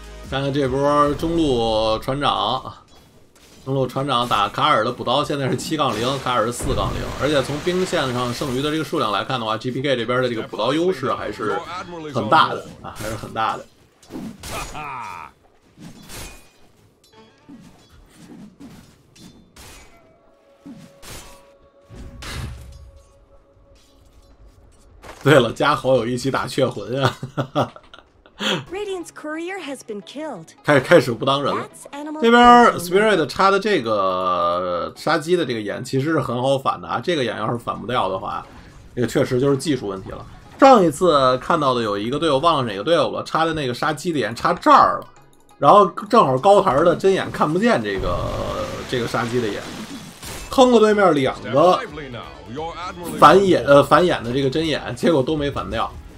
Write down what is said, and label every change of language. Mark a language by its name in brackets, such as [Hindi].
[Chinese] 看看这波中路船长，中路船长打卡尔的补刀现在是7-0，卡尔是4-0，而且从兵线上剩余的这个数量来看的话 ，GPK 这边的这个补刀优势还是很大的啊，还是很大的。对了，加好友一起打雀魂啊！ [English] Radiant's courier has been killed. [Chinese] 开始不当人了。这边 Spirit 插的这个杀鸡的这个眼其实是很好反的啊，这个眼要是反不掉的话，这个确实就是技术问题了。上一次看到的有一个队友，忘了哪个队友了，插的那个杀鸡的眼插这儿了，然后正好高台的针眼看不见这个杀鸡的眼，坑了对面两个反眼的这个针眼，结果都没反掉。